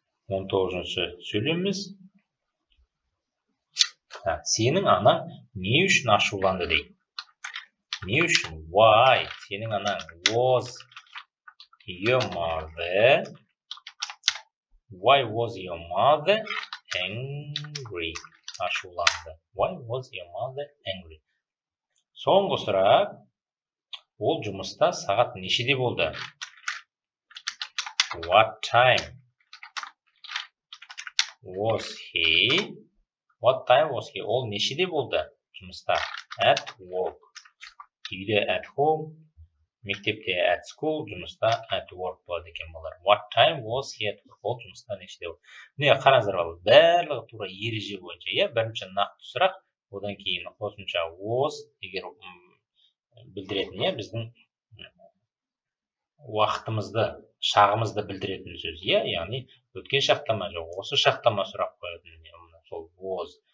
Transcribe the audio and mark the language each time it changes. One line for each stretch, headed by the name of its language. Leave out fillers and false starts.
Kazakh: 19-шы сөйлеміз. Сенің анаң не үшін ашуланды дей? Не үшін? Why? Сенің анаң
English: was your mother? Why was your mother angry?
Kazakh: Ашуланды.
English: Why was your mother angry?
Kazakh: Соңғы сұрақ. Ол жұмыста сағат нешеде болды?
English: What time was he? What time was he?
Kazakh: Ол нешеде болды жұмыста?
English: At work. Үйде at home. Мектепте at school.
Kazakh: Жұмыста
English: at work
Kazakh: болады екен болар.
English: What time was he at work?
Kazakh: Ол жұмыста нешеде болды? Не, қараңыздар балалар. Бәрлігі тура ереже бойынша. Бірінші нақты сұрақ. Одан кейін қосымша was, егер білдіретін, біздің уақытымызды, шағымызды білдіретін сөз, яғни өткен шақта ма, жоқ, осы шақта ма сұрақ қойдым, сол was.